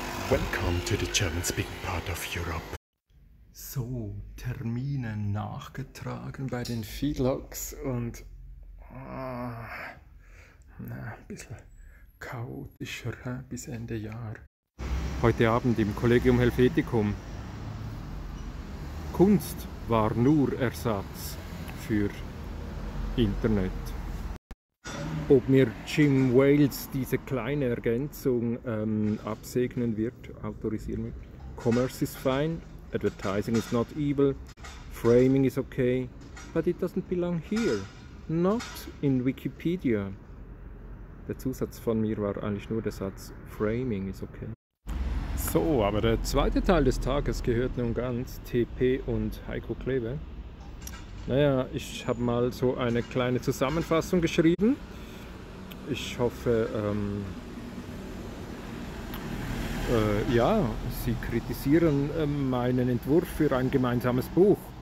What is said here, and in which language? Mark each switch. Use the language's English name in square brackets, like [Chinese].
[English] Welcome to the German speaking part of Europe. [German] So, Termine nachgetragen bei den Feedlogs und ein bisschen chaotischer bis Ende Jahr. Heute Abend im Collegium Helvetikum. Kunst war nur Ersatz für Internet. Ob mir Jim Wales diese kleine Ergänzung absegnen wird, autorisieren wird. [English] Commerce is fine. Advertising is not evil, framing is okay, but it doesn't belong here, not in Wikipedia. [German] Der Zusatz von mir war eigentlich nur der Satz, [English] framing is okay. [German] So, aber der zweite Teil des Tages gehört nun ganz TP und Heiko Kleve. Naja, ich habe mal so eine kleine Zusammenfassung geschrieben. Ich hoffe, ja, Sie kritisieren meinen Entwurf für ein gemeinsames Buch.